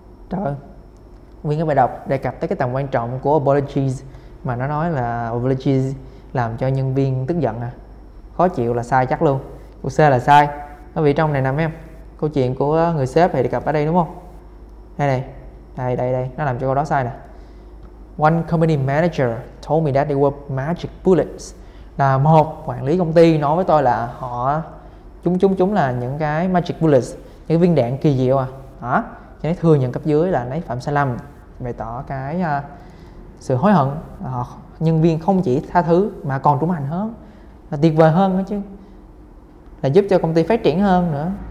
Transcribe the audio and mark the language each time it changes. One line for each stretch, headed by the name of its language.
Vietnamese: Trời ơi, nguyên cái bài đọc đề cập tới cái tầm quan trọng của apologies, mà nó nói là apologies làm cho nhân viên tức giận à, khó chịu là sai chắc luôn. Câu C là sai, nó bị trong này nè mấy em. Câu chuyện của người sếp thì đề cập ở đây đúng không? Đây này, đây đây đây, nó làm cho câu đó sai nè.
English: One company manager told me that they were magic bullets.
Vietnamese: Là một quản lý công ty nói với tôi là họ chúng là những cái magic bullets, những viên đạn kỳ diệu à. Hả? Cho nên thừa nhận cấp dưới là nấy phạm sai lầm, bày tỏ cái sự hối hận. Nhân viên không chỉ tha thứ mà còn trưởng thành hơn, là tuyệt vời hơn chứ, là giúp cho công ty phát triển hơn nữa.